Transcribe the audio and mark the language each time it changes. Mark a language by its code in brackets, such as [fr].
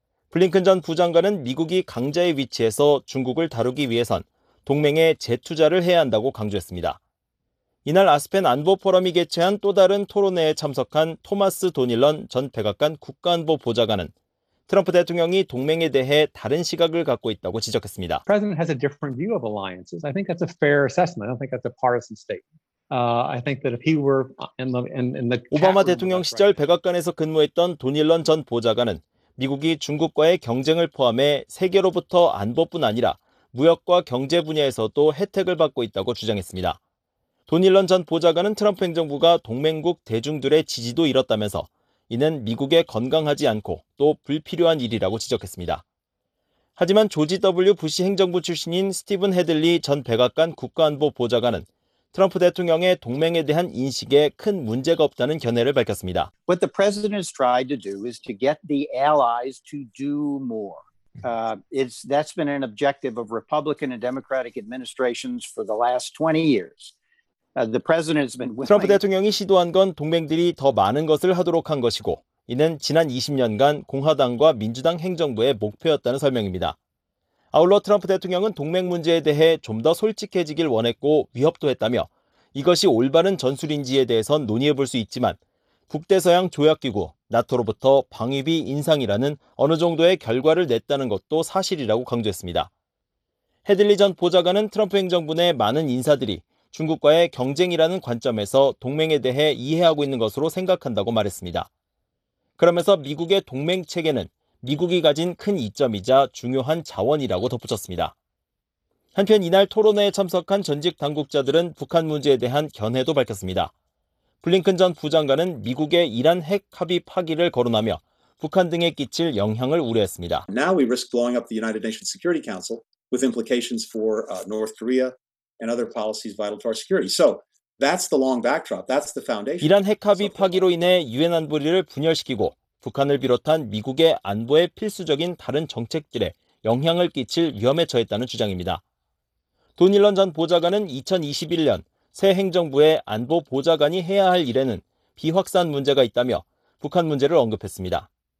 [ko] 블링컨 전 부장관은 미국이 강자의 위치에서 중국을 다루기 위해선 동맹에 재투자를 해야 한다고 강조했습니다. 이날 아스펜 안보 포럼이 개최한 또 다른 토론회에 참석한 토마스 도닐런 전 백악관 국가안보 보좌관은 트럼프 대통령이 동맹에 대해 다른 시각을 갖고 있다고 지적했습니다. [en] The president has a different view of alliances. I think that's a fair assessment. I don't think that's a partisan statement. I think that if he were in the [ko] 오바마 대통령 시절 백악관에서 근무했던 도닐런 전 보좌관은 미국이 중국과의 경쟁을 포함해 세계로부터 안보뿐 아니라 무역과 경제 분야에서도 혜택을 받고 있다고 주장했습니다. 도닐런 전 보좌관은 트럼프 행정부가 동맹국 대중들의 지지도 잃었다면서 이는 미국에 건강하지 않고 또 불필요한 일이라고 지적했습니다. 하지만 조지 W. 부시 행정부 출신인 스티븐 헤들리 전 백악관 국가안보 보좌관은 트럼프 대통령의 동맹에 대한 인식에 큰 문제가 없다는 견해를 밝혔습니다. [en] What the president has tried to do is to get the allies to do more. That's been an objective of Republican and Democratic administrations for the last 20 years. The president has been [ko] 트럼프 대통령이 시도한 건 동맹들이 더 많은 것을 하도록 한 것이고 이는 지난 20년간 공화당과 민주당 행정부의 목표였다는 설명입니다. 아울러 트럼프 대통령은 동맹 문제에 대해 좀 더 솔직해지길 원했고 위협도 했다며 이것이 올바른 전술인지에 대해선 논의해볼 수 있지만 북대서양 조약기구 나토로부터 방위비 인상이라는 어느 정도의 결과를 냈다는 것도 사실이라고 강조했습니다. 헤들리 전 보좌관은 트럼프 행정부 내 많은 인사들이 중국과의 경쟁이라는 관점에서 동맹에 대해 이해하고 있는 것으로 생각한다고 말했습니다. 그러면서 미국의 동맹 체계는 미국이 가진 큰 이점이자 중요한 자원이라고 덧붙였습니다. 한편 이날 토론회에 참석한 전직 당국자들은 북한 문제에 대한 견해도 밝혔습니다. 블링컨 전 부장관은 미국의 이란 핵 합의 파기를 거론하며 북한 등에 끼칠 영향을 우려했습니다. [en] Now we risk blowing up the United Nations Security Council with implications for North Korea and other policies vital to our security. So that's the long backdrop. That's the foundation. [ko] 이란 핵 합의 파기로 인해 유엔 안보리를 분열시키고 북한을 비롯한 미국의 안보에 필수적인 다른 정책들에 영향을 끼칠 위험에 처했다는 주장입니다. 도닐런 전 보좌관은 2021년 새 행정부의 안보 보좌관이 해야 할 일에는 비확산 문제가 있다며 북한 문제를 언급했습니다.